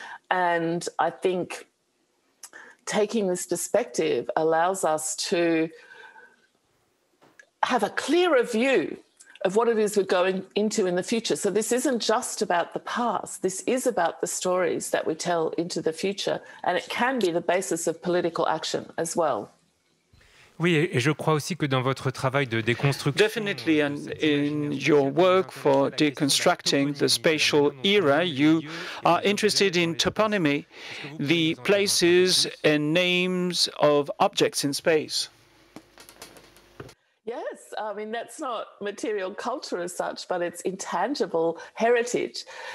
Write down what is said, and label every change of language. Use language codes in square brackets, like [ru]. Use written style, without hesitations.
[en] And I think taking this perspective allows us to have a clearer view of what it is we're going into in the future. So this isn't just about the past. This is about the stories that we tell into the future. And it can be the basis of political action as well. [fr] Oui, et je crois aussi que dans votre travail de déconstruction, [en] definitely, and in your work for deconstructing the spatial era, you are interested in toponymy, the places and names of objects in space. Yes, I mean, that's not material culture as such, but it's intangible heritage.